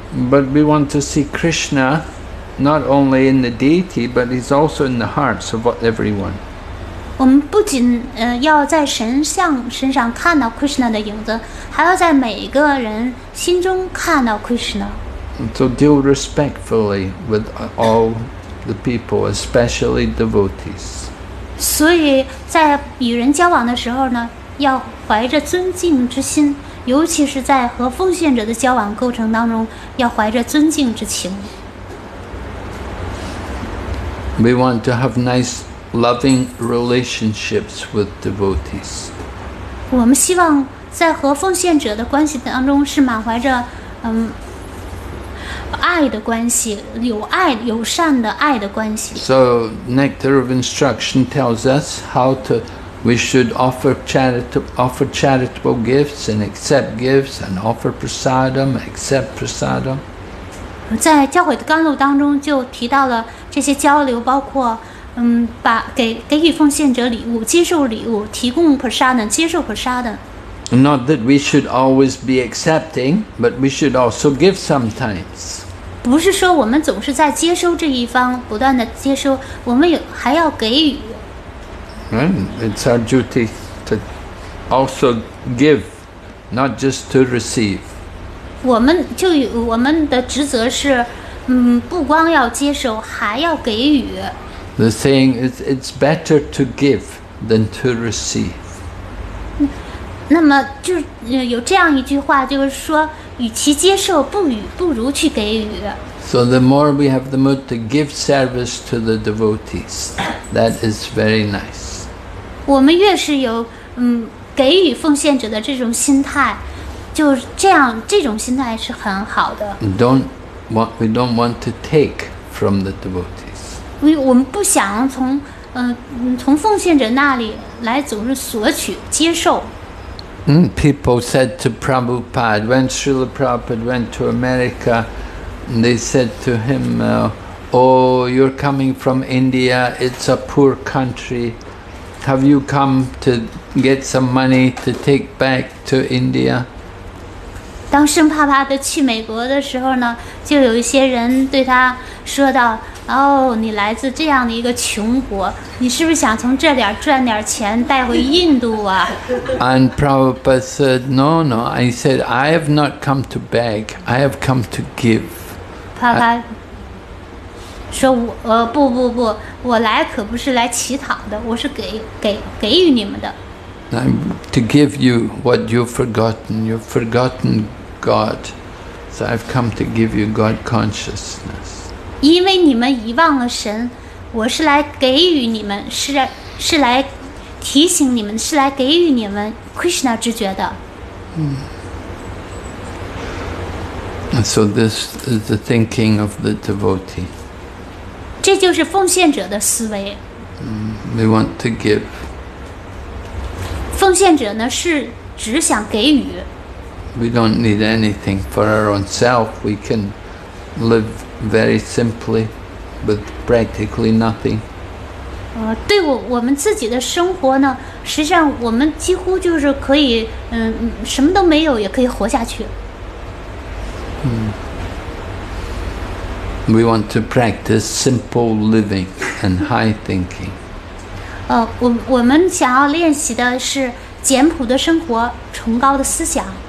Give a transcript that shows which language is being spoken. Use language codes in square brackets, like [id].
[en] But we want to see Krishna not only in the deity, but he's also in the hearts of everyone. [zh] 我们不仅要在神像身上看到 Krishna 的影子，还要在每一个人心中看到 Krishna。 [en] So deal respectfully with all the people, especially devotees. [zh] 所以在与人交往的时候呢，要怀着尊敬之心，尤其是在和奉献者的交往过程当中，要怀着尊敬之情。 [en] We want to have nice, loving relationships with devotees. [zh] 我们希望在和奉献者的关系当中是满怀着爱的关系，有爱，友善的爱的关系。 [en] So, nectar of instruction tells us how to, we should offer charitable gifts and accept gifts and offer prasadam, accept prasadam. [zh] 在教诲的甘露当中就提到了这些交流，包括把给予奉献者礼物，接受礼物，提供 prasadam, 接受 prasadam。 [en] Not that we should always be accepting, but we should also give sometimes. [zh] 不是说我们总是在接收这一方，不断的接收，我们也还要给予。 [en] And it's our duty to also give, not just to receive. [zh] 我们的职责是，不光要接收，还要给予。 [en] The saying is, it's better to give than to receive. [zh] 那么就有这样一句话，就是说，与其接受，不如去给予。 [en] So the more we have the mood to give service to the devotees, that is very nice. [zh] 我们越是有给予奉献者的这种心态，就这样，这种心态是很好的。 [en] We don't want to take from the devotees. [zh] 我们不想从奉献者那里来总是索取接受。 [en] People said to Prabhupada, when Srila Prabhupada went to America, they said to him, oh, you're coming from India, it's a poor country. Have you come to get some money to take back to India? [zh] 当圣帕帕的去美国的时候呢，就有一些人对他说道，哦，你来自这样的一个穷国，你是不是想从这点赚点钱带回印度啊？ [en] And Prabhupada said, no, no. I said, I have not come to beg. I have come to give. [zh] 帕帕说，不不不，我来可不是来乞讨的，我是给予你们的。 [en] I'm to give you what you've forgotten. You've forgotten God. So I've come to give you God consciousness. [zh] 因为你们遗忘了神，我是来给予你们，是来提醒你们，是来给予你们 Krishna 知觉的。 [en] So this is the thinking of the devotee. [zh] 这就是奉献者的思维。 [en] They want to give. [zh] 奉献者呢是只想给予。 [en] We don't need anything for our own self. We can live. Very simply, with practically nothing. [zh] 对我们自己的生活呢，实际上我们几乎就是可以，什么都没有也可以活下去。 [en] We want to practice simple living and high thinking. [zh] 我们想要练习的是简朴的生活，崇高的思想。